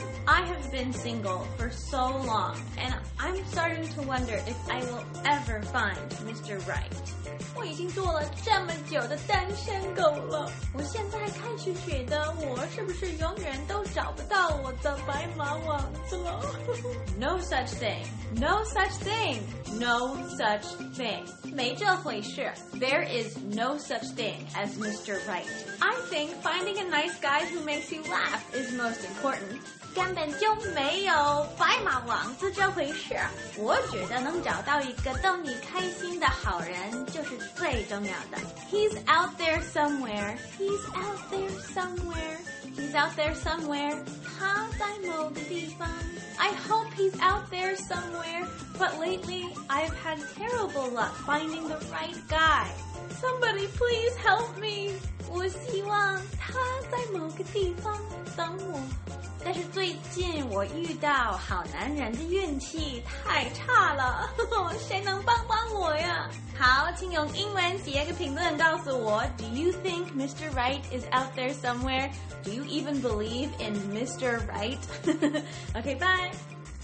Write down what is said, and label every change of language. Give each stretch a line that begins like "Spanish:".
English: I have been single for so long, and I'm starting to wonder if I will ever find Mr. Right.
Chinese: 我已经做了这么久的单身狗了，我现在开始觉得我是不是永远都找不到我的白马王子了。
English: No such thing, no such thing, no such thing.
Chinese: 没这回事。
English: There is no such thing as Mr. Right. I think finding a nice guy who makes you laugh is most important.
Chinese: 根本就没有白马王子这回事。我觉得能找到一个逗你开心的好人就是最重要的。
English: He's out there somewhere. He's out there somewhere. He's out there somewhere.
Chinese: 他在某个地方。
English: I hope he's out there somewhere. But lately, I've had terrible luck finding the right guy. Somebody please help me.
Chinese: 我希望他在某个地方等我。但是最近我遇到好男人的运气太差了，谁能帮帮我呀？好，请用英文写个评论告诉我 ，
English: Do you think Mr. Right is out there somewhere? Do you even believe in Mr. Right? Okay, bye.